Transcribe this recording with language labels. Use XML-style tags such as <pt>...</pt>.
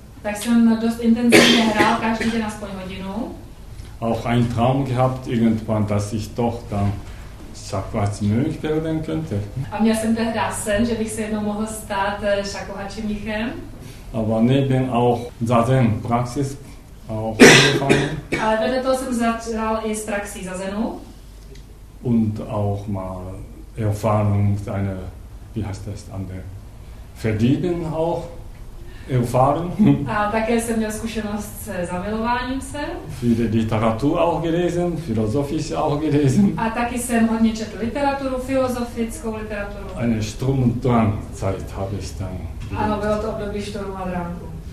<cs>Tak jsem dost intenzivně hrál, každý den aspoň hodinu.</cs> <de>Auch einen Traum gehabt irgendwann, dass ich doch dann Shakuhachi Mönch werden könnte.</de> <cs>A měl jsem tehdy sen, že bych se jednou mohl stát Shakuhachi Mnichem.</cs> <de>Aber neben auch Zazen Praxis auch angefangen.</de> <cs>Ale vedle toho jsem začal i s praxí Zazenu.</cs> <de>Und auch mal Erfahrung seine, wie heißt das, an der verdienen auch Erfahrung.</de> <cs>A také jsem měl zkušenost se zamilováním se.</cs> <de>Viele Literatur auch gelesen, philosophisch auch gelesen.</de> <cs>A taky jsem hodně četl literaturu, filozofickou literaturu.</cs> <de>Eine Sturm und Drang Zeit habe ich dann.</de> <cs>Ano, bylo to období Sturmu a Drangu.</cs>